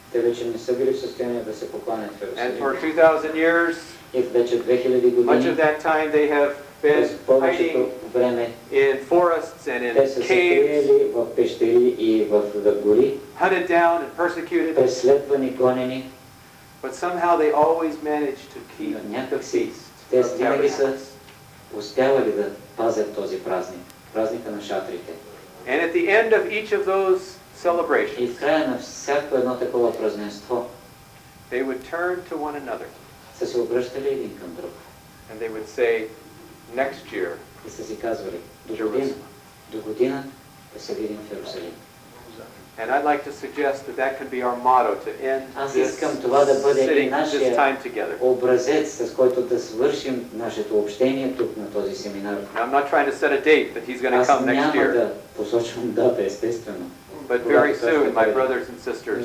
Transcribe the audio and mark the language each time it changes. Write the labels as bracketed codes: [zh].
[bg] Те вече не са били в състояние да се покланят в Иерусалим. [en] And for 2000 years. [bg] И вече 2000 години. [en] Much of that time they have been hiding [bg] време, [en] in forests and in caves. [bg] Те са се криели в пещери и в гори. [en] Hunted down and persecuted. [bg] Преследвани, гонени. [en] But somehow they always managed to keep the feast. [bg] Те винаги са успявали да пазят този празник, празника на шатрите. [en] And at the end of each of those celebrations, [bg] и в края на всяко едно такова празненство, [en] they would turn to one another. [bg] Са се обръщали един към друг. [en] And they would say, next year, [bg] и са си казвали, до година да се видим в Йерусалим. [en] And I'd like to suggest that that could be our motto to end this time together. [bg] Образец, с който да свършим нашето общение тук на този семинар. [en] Now, I'm not trying to set a date that he's going to come next year. [bg] Да посочвам дата, естествено. [en] But very soon, my brothers and sisters,